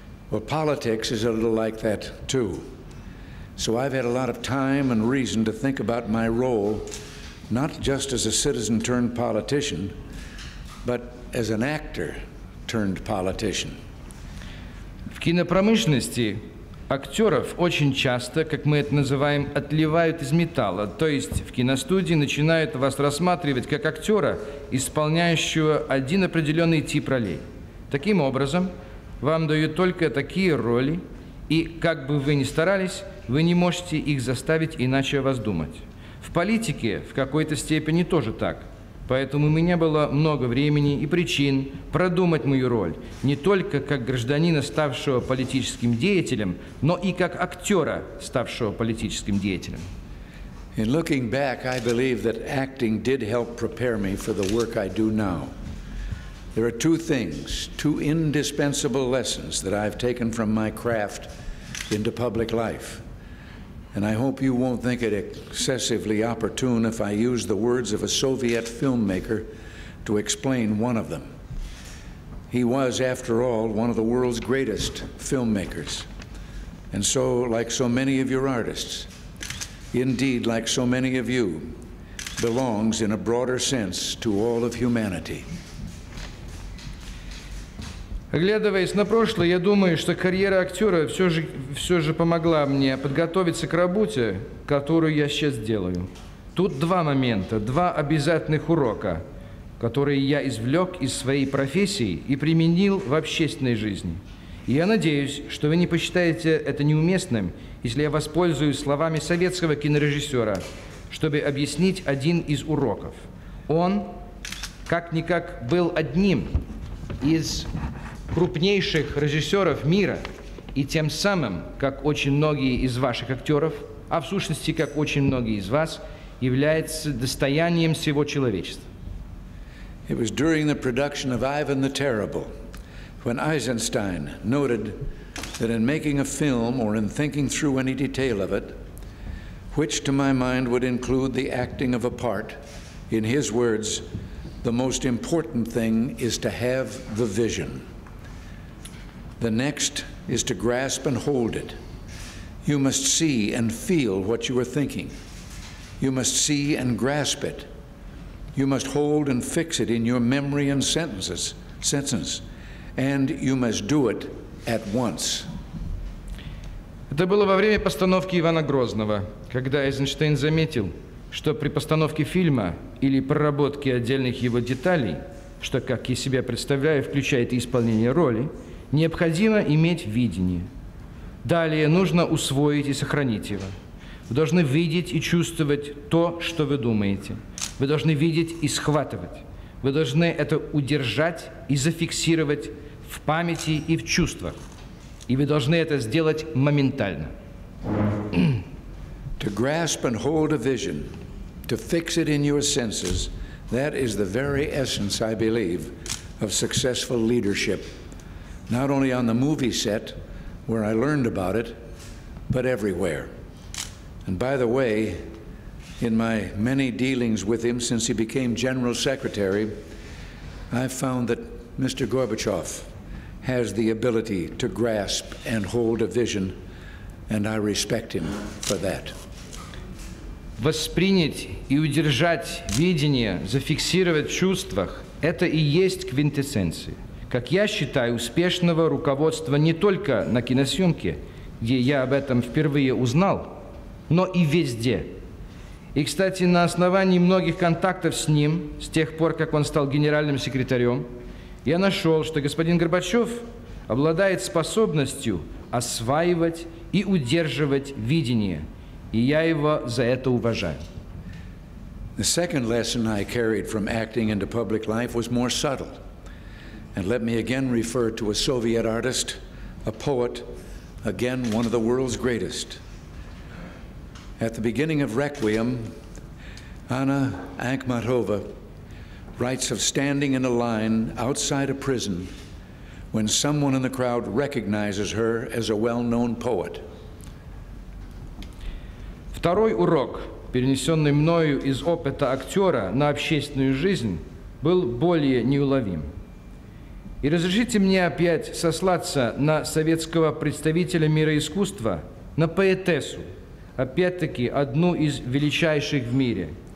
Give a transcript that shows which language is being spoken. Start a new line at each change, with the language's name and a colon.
English: Well, politics is a little like that, too. So I've had a lot of time and reason to think about my role, not just as a citizen turned politician, but as an actor turned politician.
Russian: В кинопромышленности актеров очень часто, как мы это называем, отливают из металла, то есть в киностудии начинают вас рассматривать как актера, исполняющего один определенный тип ролей. Таким образом, вам дают только такие роли, и как бы вы ни старались, вы не можете их заставить иначе о вас думать. В политике в какой-то степени тоже так. Поэтому у меня было много времени и причин продумать мою роль не только как гражданина, ставшего политическим деятелем, но и как актера, ставшего политическим деятелем.
English: In looking back, I believe that acting did help prepare me for the work I do now. There are two things, two indispensable lessons that I've taken from my craft into public life. And I hope you won't think it excessively opportune if I use the words of a Soviet filmmaker to explain one of them. He was, after all, one of the world's greatest filmmakers. And so, like so many of your artists, indeed, like so many of you, belongs in a broader sense to all of humanity.
Russian: Оглядываясь на прошлое, я думаю, что карьера актера все же помогла мне подготовиться к работе, которую я сейчас делаю. Тут два момента, два обязательных урока, которые я извлек из своей профессии и применил в общественной жизни. И я надеюсь, что вы не посчитаете это неуместным, если я воспользуюсь словами советского кинорежиссера, чтобы объяснить один из уроков. Он, как-никак, был одним из крупнейших режиссеров мира, и тем самым, как очень многие из ваших актеров, а в сущности, как очень многие из вас, является достоянием всего человечества.
English: It was during the production of Ivan the Terrible when Eisenstein noted that in making a film or in thinking through any detail of it, which to my mind would include the acting of a part, in his words, the most important thing is to have the vision. The next is to grasp and hold it. You must see and feel what you are thinking. You must see and grasp it. You must hold and fix it in your memory and sentences, and you must do it at once.
Russian: Это было во время постановки Ивана Грозного, когда Эйзенштейн заметил, что при постановке фильма или проработке отдельных его деталей, что, как я себя представляю, включает исполнение роли, необходимо иметь видение. Далее нужно усвоить и сохранить его. Вы должны видеть и чувствовать то, что вы думаете. Вы должны видеть и схватывать. Вы должны это удержать и зафиксировать в памяти и в чувствах. И вы должны это сделать моментально.
English: To grasp and hold a vision, to fix it in your senses, that is the very essence, I believe, of successful leadership. Not only on the movie set, where I learned about it, but everywhere. And by the way, in my many dealings with him since he became General Secretary, I've found that Mr. Gorbachev has the ability to grasp and hold a vision and I respect him for that.
Russian: Воспринять и удержать видение, зафиксировать в чувствах – это и есть квинтэссенция. Как я считаю, успешного руководства не только на киносъемке, где я об этом впервые узнал, но и везде. И, кстати, на основании многих контактов с ним, с тех пор, как он стал генеральным секретарем, я нашел, что господин Горбачев обладает способностью осваивать и удерживать видение. И я его за это уважаю.
English: The second lesson I carried from acting into public life was more subtle. And let me again refer to a Soviet artist, a poet, again one of the world's greatest. At the beginning of Requiem, Anna Akhmatova writes of standing in a line outside a prison when someone in the crowd recognizes her as a well-known poet.
Russian: Второй урок, перенесенный мною из опыта актера на общественную жизнь, был более неуловим. И разрешите мне опять сослаться на советского представителя мира искусства, на поэтессу, опять-таки одну из величайших в мире.